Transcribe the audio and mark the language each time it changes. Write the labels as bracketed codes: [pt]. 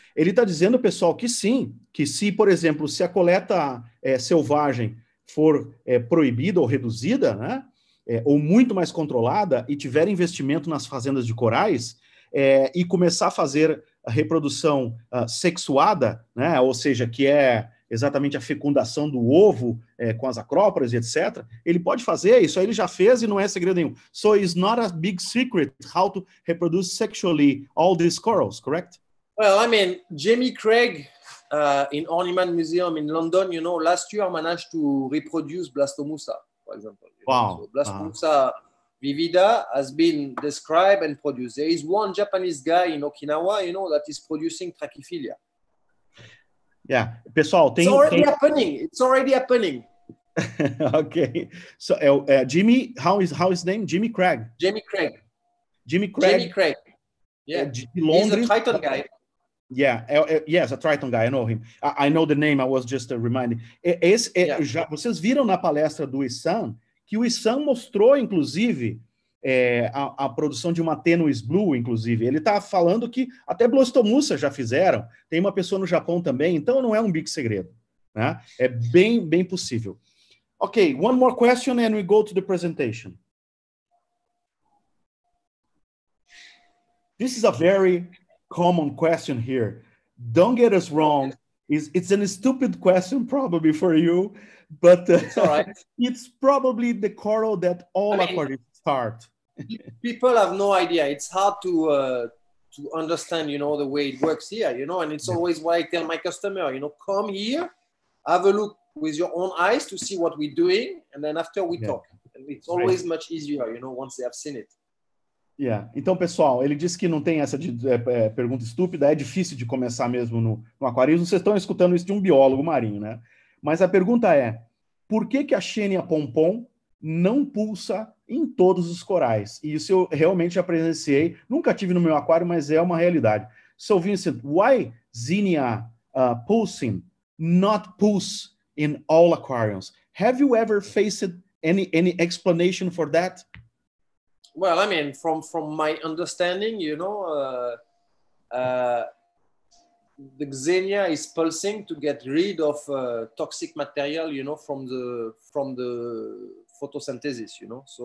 [pt] Ele está dizendo, pessoal, que sim, que se, por exemplo, se a coleta selvagem for proibida ou reduzida, né, ou muito mais controlada, e tiver investimento nas fazendas de corais, e começar a fazer a reprodução sexuada, né, ou seja, que é exatamente a fecundação do ovo com as acrópolis, etc., ele pode fazer, isso aí ele já fez e não é segredo nenhum. [en] So it's not a big secret how to reproduce sexually all these corals, correct? Well, I mean, Jamie Craig in Horniman Museum in London, you know, last year managed to reproduce Blastomusa, for example. Wow. So Blastomusa vivida has been described and produced. There is one Japanese guy in Okinawa, you know, that is producing trachyphilia. [pt] Yeah, pessoal, tem... [en] It's already happening. Okay. So, Jimmy, how is his name? Jimmy Craig. Jamie Craig. Yeah. [pt] De Londres. [en] He's a Triton guy. Yeah, yes, a Triton guy, I know him. I know the name, I was just reminding. [pt] Vocês viram na palestra do Issan que o Issan mostrou, inclusive, a produção de uma tênues blue, inclusive. Ele está falando que até blastomussa já fizeram, tem uma pessoa no Japão também, então não é um big segredo, né? É bem, bem possível. [en] Ok, one more question and we go to the presentation. This is a very common question here. Don't get us wrong. It's a stupid question probably for you, but it's probably the coral that all aquarists start. People have no idea. It's hard to understand, you know, the way it works here, you know, and it's always why I tell my customer, you know, come here, have a look with your own eyes to see what we're doing, and then after we talk. And it's always much easier, you know, once they have seen it. Yeah. [pt] Então, pessoal, ele disse que não tem essa de, pergunta estúpida, é difícil de começar mesmo no aquarismo. Vocês estão escutando isso de um biólogo marinho, né? Mas a pergunta é, por que que a Xenia pompom não pulsa em todos os corais? E isso eu realmente já presenciei, nunca tive no meu aquário, mas é uma realidade. [en] So, Vincent, why Xenia pulsing not pulse in all aquariums? Have you ever faced any explanation for that? Well, I mean, from my understanding, you know, the Xenia is pulsing to get rid of toxic material, you know, from the photosynthesis, you know.